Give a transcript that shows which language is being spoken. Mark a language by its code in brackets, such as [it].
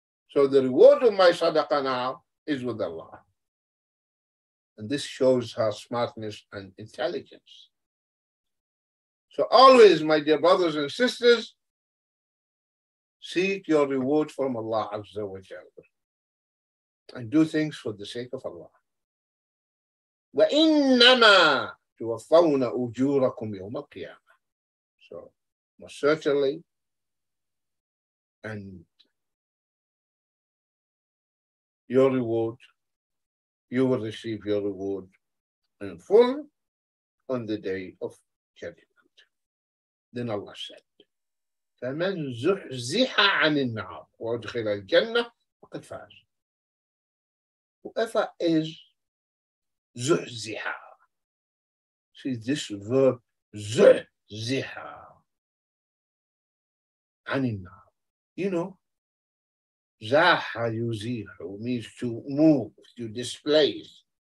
[en] So the reward of my sadaqah now is with Allah. And this shows her smartness and intelligence. So always, my dear brothers and sisters, seek your reward from Allah Azza wa Jalla. And do things for the sake of Allah. [ar] وَإِنَّمَا توفون أجوركم يوم القيامة. [en] So most certainly and your reward, you will receive your reward in full on the day of judgment. Then Allah said, [ar] فمن زحزح عن النار وادخل الجنة فقد فاز. [en] Whoever is زحزح. See this verb, [ar] زحزح عن النار. [en] You know, [ar] زاح يزيح [en] means to move, to displace.